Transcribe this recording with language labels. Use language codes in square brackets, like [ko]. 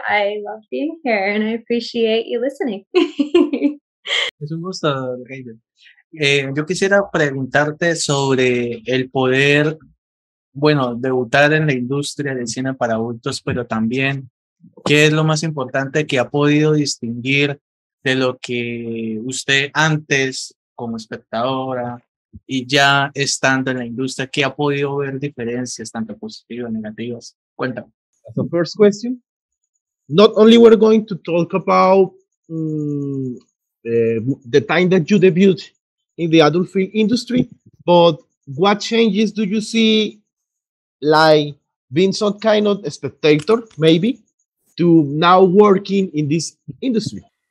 [en] I love being here and I appreciate you listening. [es] Es un gusto, Rebel. Yo quisiera preguntarte sobre el poder, bueno, debutar en la industria del cine para adultos, pero también, ¿qué es lo más importante que ha podido distinguir de lo que usted antes, como espectadora, y ya estando en la industria, qué ha podido ver diferencias, tanto positivas, negativas? Cuéntame. [en] That's the first question. Not only we're going to talk about the time that you debuted in the adult film industry, but what changes do you see, like being some kind of spectator, maybe, to now working in this industry?